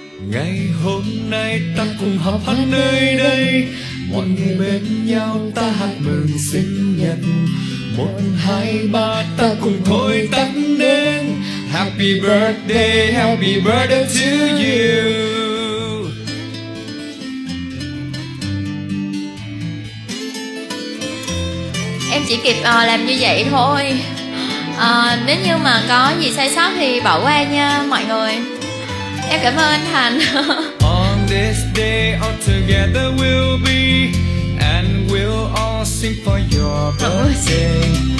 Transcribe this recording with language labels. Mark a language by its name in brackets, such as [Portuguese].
[Vietnamese] Ngày hôm nay ta cùng họp hát nơi đây. Mọi người bên nhau ta hát mừng sinh nhật. 1, 2, 3 ta cùng thổi tắt nến. [English] Happy birthday, happy birthday to you. [Vietnamese] Chỉ kịp làm như vậy thôi. Nếu như mà có gì sai sót thì bỏ qua nha mọi người. Em cảm ơn anh Thành. [English] On this day all together we'll be and we'll all sing for your birthday.